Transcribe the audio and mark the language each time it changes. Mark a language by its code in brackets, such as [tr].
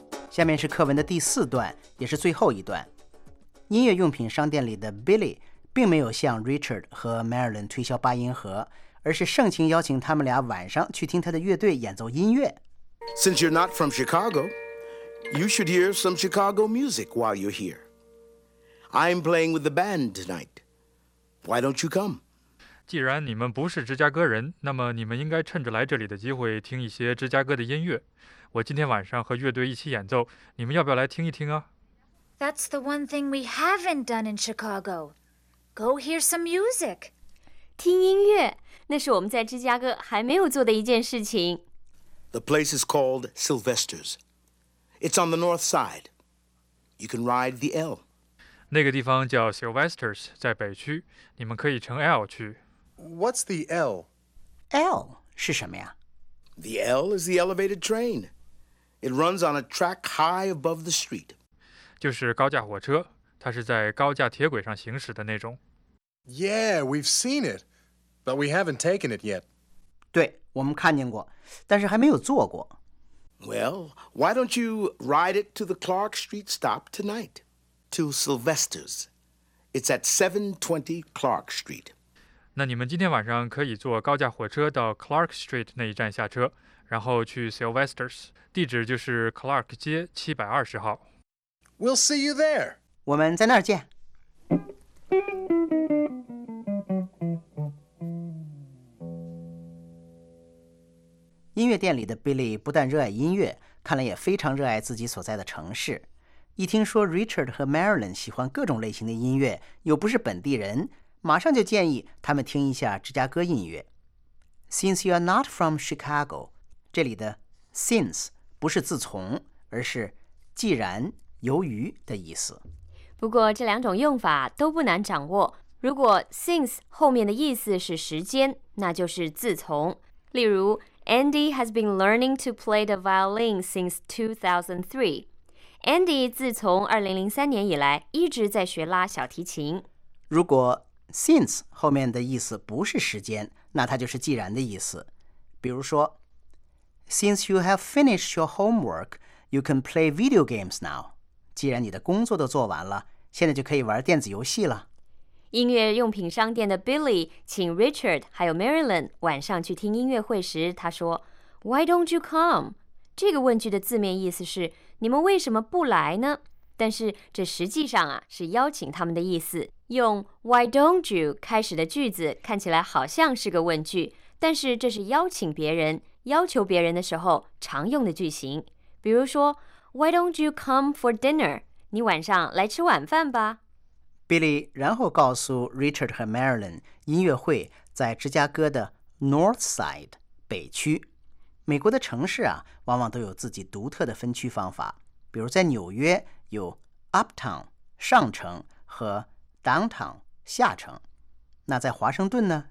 [zh] 下面是课文的第四段，也是最后一段。音乐用品商店里的 Billy 并没有向 Richard 和 Marilyn 推销八音盒，而是盛情邀请他们俩晚上去听他的乐队演奏音乐。 [en] Since you're not from Chicago, you should hear some Chicago music while you're here. I'm playing with the band tonight. Why don't you come? [zh] 既然你们不是芝加哥人，那么你们应该趁着来这里的机会听一些芝加哥的音乐。我今天晚上和乐队一起演奏，你们要不要来听一听啊？ [en] That's the one thing we haven't done in Chicago. Go hear some music. [zh] 听音乐，那是我们在芝加哥还没有做的一件事情。 [en] The place is called Sylvester's. It's on the north side. You can ride the L. [zh] 那个地方叫 Sylvester's， 在北区，你们可以乘 L 去。 [en] What's the L? [zh] L 是什么呀？ [en] The L is the elevated train. It runs on a track high above the street. [zh] 就是高架火车，它是在高架铁轨上行驶的那种。 [en] Yeah, we've seen it, but we haven't taken it yet. [zh] 对，我们看见过，但是还没有坐过。 [en] Well, why don't you ride it to the Clark Street stop tonight? To Sylvester's. It's at 720 Clark Street. [zh] 那你们今天晚上可以坐高架火车到 Clark Street 那一站下车，然后去 Sylvester's， 地址就是 Clark 街720号。 [en] We'll see you there. [zh] 我们在那儿见。音乐店里的 Billy 不但热爱音乐，看来也非常热爱自己所在的城市。一听说 Richard 和 Marilyn 喜欢各种类型的音乐，又不是本地人，马上就建议他们听一下芝加哥音乐。 Since you're not from Chicago，这里的 since 不是自从，而是既然、由于的意思。不过这两种用法都不难掌握。如果 since 后面的意思是时间，那就是自从。 [en] 例如，Andy has been learning to play the violin since 2003。 [zh] Andy 自从2003年以来一直在学拉小提琴。如果Since 后面的意思不是时间，那它就是既然的意思。 [en] 比如说，Since you have finished your homework, you can play video games now. [zh] 既然你的工作都做完了，现在就可以玩电子游戏了。音乐用品商店的 Billy 请 Richard 还有 Marilyn 晚上去听音乐会时，他说 ： “Why don't you come？” 这个问句的字面意思是“你们为什么不来呢？” 但是这实际上啊是邀请他们的意思。用 Why don't you 开始的句子看起来好像是个问句，但是这是邀请别人、要求别人的时候常用的句型。 [en] 比如说 Why don't you come for dinner？ [zh] 你晚上来吃晚饭吧。 Billy 然后告诉 Richard 和 Marilyn， 音乐会在芝加哥的 North Side 北区。美国的城市啊，往往都有自己独特的分区方法。比如在纽约有 Uptown 上城和Downtown 下城，那在华盛顿呢？